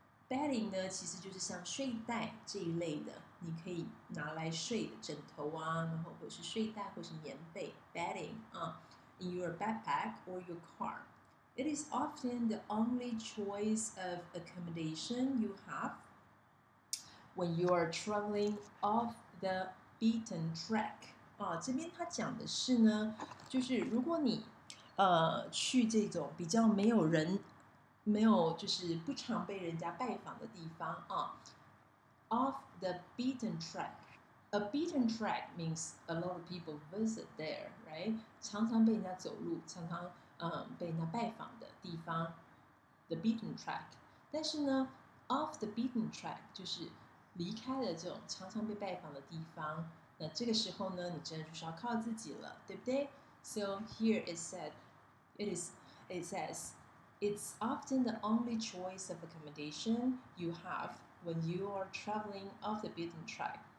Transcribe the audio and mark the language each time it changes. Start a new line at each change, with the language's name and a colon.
Chinese: Bedding 呢其实就是像睡袋这一类的，你可以拿来睡的枕头啊，然后或是睡袋或是棉被
English: bedding, in your backpack or your car. It is often the only choice of accommodation you have when you are traveling off the beaten track.
Chinese: 这边他讲的是呢，就是如果你去这种比较没有人，没有就是不常被人家拜访的地方啊。
English: Off the beaten track, a beaten track means a lot of people visit there, right?
Chinese: 常常被人家走路，常常被人家拜访的地方 ，the beaten track。但是呢 ，off the beaten track 就是离开了这种常常被拜访的地方。那这个时候呢，你真的就是要靠自己了，对不对？
English: So here it says, it's often the only choice of accommodation you have when you are traveling off the beaten track.